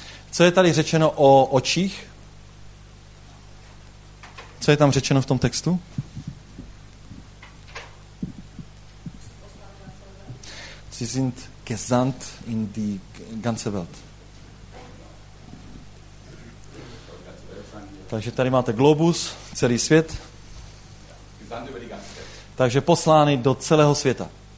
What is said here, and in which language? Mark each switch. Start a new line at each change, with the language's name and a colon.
Czech: Co je tady řečeno o očích? Co je tam řečeno v tom textu?
German: Sie sind gesandt in die ganze Welt.
Czech: Takže tady máte globus, celý svět. Takže poslány do celého světa.